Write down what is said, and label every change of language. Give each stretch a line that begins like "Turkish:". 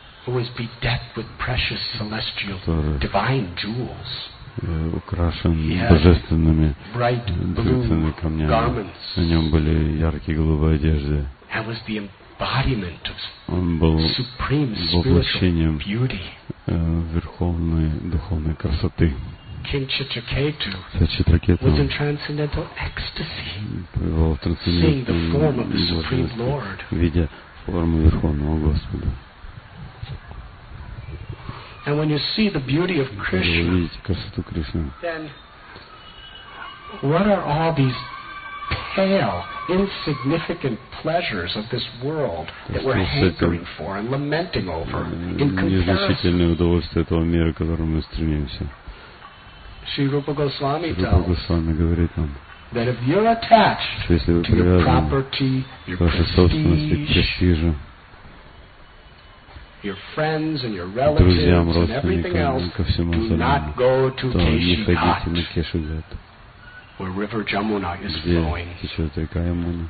English: who was bedecked with precious celestial divine jewels.
Russian: Украшен божественными драгоценными камнями. На нем были яркие голубые одежды.
English: And was the embodiment of supreme spiritual beauty.
Russian: Верховной духовной красоты.
English: King Chitraketu was in transcendental ecstasy, seeing the form of the Supreme Lord.
Russian: Видя форму Верховного Господа.
English: And when you see the beauty of Krishna, then what are all these pale, insignificant pleasures of this world that we're hankering for and lamenting over in
Russian: незначительные удовольствия этого мира, к которому мы стремимся?
English: Shri Rupa Goswami tells that if you're attached to your property, your prestige, your friends and your relatives and everything else, do not go to Keshighat, where River Jamuna is flowing.